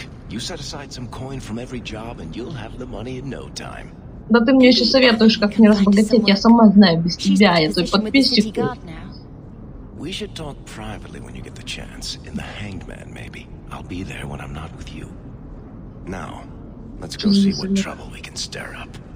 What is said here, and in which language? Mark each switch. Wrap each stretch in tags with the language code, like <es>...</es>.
<en>You set aside some coin from every job and you'll have the money in no time.</en> <ru>Да ты мне еще советуешь, как мне разбогатеть, я сама знаю, без тебя, я твой подписчик.</ru> <en>We should talk privately when you get the chance. In the hanged man, maybe. I'll be there when I'm not with you. Now, let's go see what trouble we can stir up.</en>